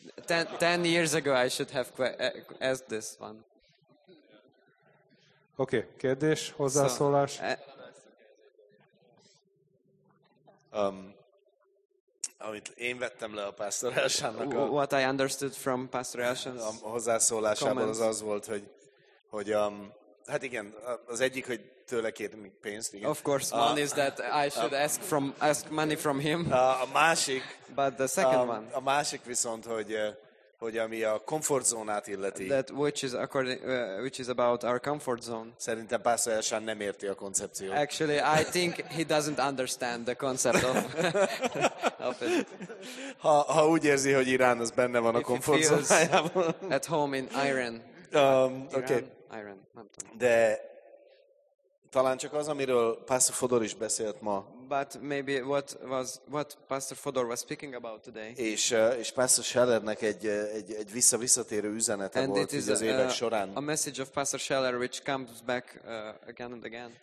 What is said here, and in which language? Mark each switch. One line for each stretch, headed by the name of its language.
English: 10 years ago I should have asked this one.
Hungarian: Okay, kérdés, hozzászólás. Amit én vettem le a Pastor Elshannak a
English: What I understood from Pastor Elshann's
Hungarian: hozzászólásából comments. Az volt, hogy hát igen, az egyik, hogy tőle kérünk pénzt, igen.
English: Of course, one is that I should ask money from him.
Hungarian: A másik,
English: but the second one.
Hungarian: A másik viszont, hogy ami a komfortzónát illeti.
English: That which is about our comfort zone.
Hungarian: Szerintem Pastor Elshann nem érti a koncepciót.
English: Actually, I think he doesn't understand the concept of it.
Hungarian: Ha úgy érzi, hogy Irán az benne van
English: if
Hungarian: a komfortzónájában.
English: At home in Iran.
Hungarian: Iran, nem tudom. De talán csak az, amiről Pastor Fodor is beszélt ma.
English: But maybe what Pastor Fodor was speaking about today.
Hungarian: És Pastor Schellernek egy visszatérő üzenete
English: and
Hungarian: volt így az évek során.
English: A message of Pastor Scheller which comes back again and again.